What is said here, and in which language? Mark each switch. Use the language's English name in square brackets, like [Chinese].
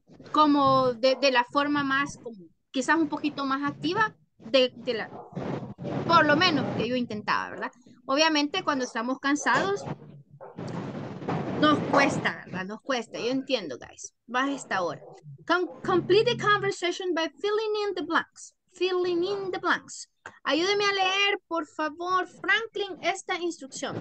[Spanish] Como de la forma más, como, quizás un poquito más activa, por lo menos que yo intentaba, ¿verdad? Obviamente cuando estamos cansados, nos cuesta, ¿verdad? Nos cuesta, yo entiendo, guys, más esta hora. [English] Complete the conversation by filling in the blanks. Filling in the blanks. [Spanish] Ayúdeme a leer, por favor, Franklin, esta instrucción.